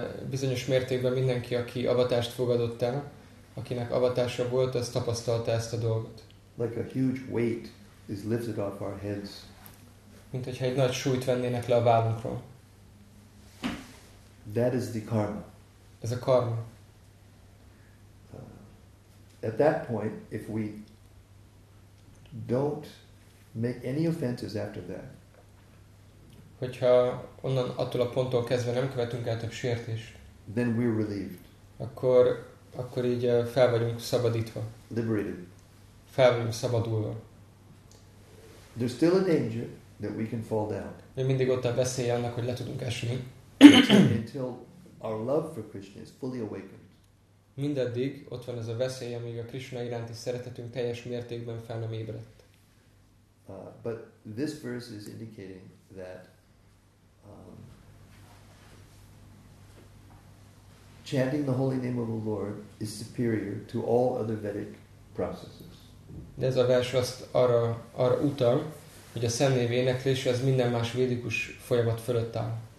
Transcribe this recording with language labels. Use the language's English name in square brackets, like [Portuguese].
[Hungarian] Bizonyos mértékben mindenki, aki avatást fogadott el, akinek avatása volt, az tapasztalta ezt a dolgot. [English] Like a huge weight is lifted off our heads. [Hungarian] Mint hogyha egy nagy súlyt vennének le a vállunkról. [English] That is the karma. [Hungarian] Ez a karma. [English] At that point, if we don't make any offenses after that, [Hungarian] hogyha onnan attól a ponttól kezdve nem követünk el több sértést, [English] then we're relieved. [Hungarian] Akkor így fel vagyunk szabadítva. [English] Liberated. [Hungarian] Fel vagyunk szabadulva. [English] There's still a danger that we can fall down. [Hungarian] Még mindig ott a veszély annak, hogy le tudunk esni. [English] Until our love for Krishna is fully awakened. [Hungarian] Mindaddig ott van ez a veszély, amíg a Krishna iránti szeretetünk teljes mértékben fel nem ébredt. [English] But this verse is indicating that chanting the holy name of the Lord is superior to all other Vedic processes. [Hungarian] De ez a vers azt arra utal, hogy a szemlélő éneklés az minden más védikus folyamat fölött áll.